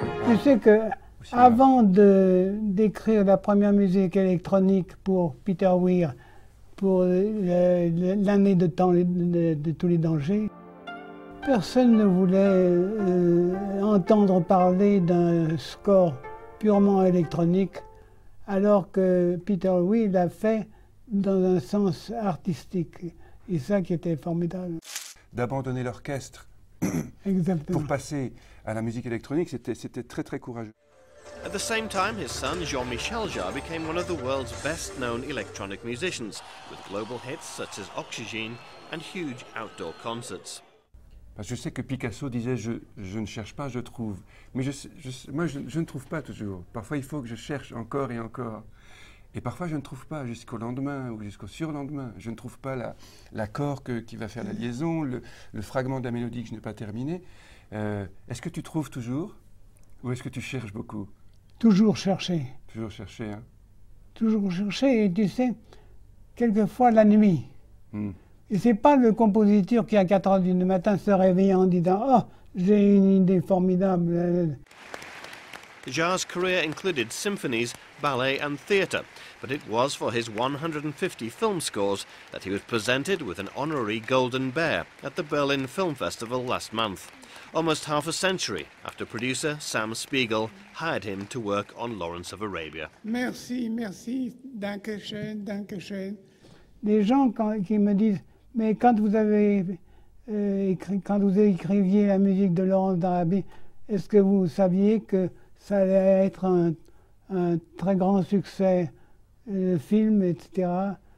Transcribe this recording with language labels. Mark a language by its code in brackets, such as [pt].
[fr] Tu sais que avant d'écrire la première musique électronique pour Peter Weir, pour l'année de temps de tous les dangers, personne ne voulait entendre parler d'un score purement électronique, alors que Peter Weir l'a fait dans un sens artistique. Et ça qui était formidable. D'abandonner l'orchestre pour passer à la musique électronique, c'était très très courageux. [en] At the same time, his son, Jean-Michel Jarre, became one of the world's best-known electronic musicians, with global hits such as Oxygène and huge outdoor concerts. [fr] Parce que je sais que Picasso disait je ne cherche pas, je trouve. Mais je ne trouve pas toujours. Parfois, il faut que je cherche encore et encore. Et parfois, je ne trouve pas jusqu'au lendemain ou jusqu'au surlendemain. Je ne trouve pas l'accord qui va faire la liaison, le fragment de la mélodie que je n'ai pas terminé. Est-ce que tu trouves toujours? Ou est-ce que tu cherches beaucoup? Toujours chercher. Toujours chercher, hein? Toujours chercher, et tu sais, quelquefois la nuit. Mm. Et c'est pas le compositeur qui, à 4 heures du matin, se réveille en disant « Oh, j'ai une idée formidable !» [en] Jarre's career included symphonies, ballet and theatre, but it was for his 150 film scores that he was presented with an honorary Golden Bear at the Berlin Film Festival last month, almost half a century after producer Sam Spiegel hired him to work on Lawrence of Arabia. [fr] Merci, merci, [de] danke schön, danke schön. [fr] Les gens qui me disent, mais quand vous avez écriviez la musique de Lawrence d'Arabie, est-ce que vous saviez que ça allait être un très grand succès, le film, etc.